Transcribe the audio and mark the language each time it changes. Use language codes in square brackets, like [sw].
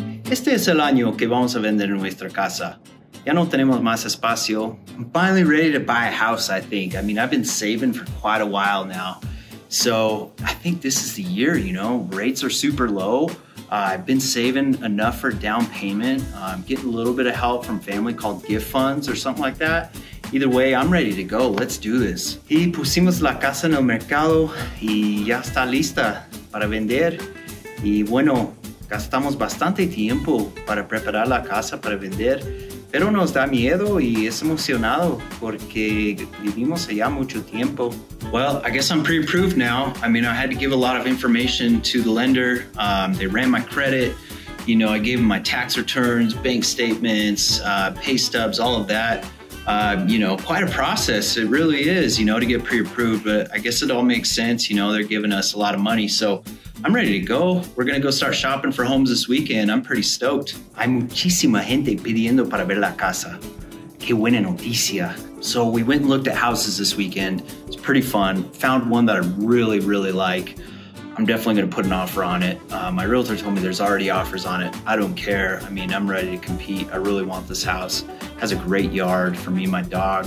[es] Este es el año que vamos a vender nuestra casa. Ya no tenemos más espacio. [en] I'm finally ready to buy a house, I think. I mean, I've been saving for quite a while now. So I think this is the year, you know. Rates are super low. I've been saving enough for down payment. I'm getting a little bit of help from family called gift funds or something like that. Either way, I'm ready to go. Let's do this. [es] Y pusimos la casa en el mercado y ya está lista para vender. Y bueno, gastamos bastante tiempo para preparar la casa para vender, pero nos da miedo y es emocionado porque vivimos allá mucho tiempo. [en] Well, I guess I'm pre-approved now. I mean, I had to give a lot of information to the lender. They ran my credit. You know, I gave them my tax returns, bank statements, pay stubs, all of that. You know, quite a process. It really is, you know, to get pre-approved, but I guess it all makes sense. You know, they're giving us a lot of money, so I'm ready to go. We're gonna go start shopping for homes this weekend. I'm pretty stoked. [es] Hay muchísima gente pidiendo para ver la casa. Qué buena noticia. [en] So we went and looked at houses this weekend. It's pretty fun. Found one that I really, really like. I'm definitely gonna put an offer on it. My realtor told me there's already offers on it. I don't care. I mean, I'm ready to compete. I really want this house. It has a great yard for me and my dog.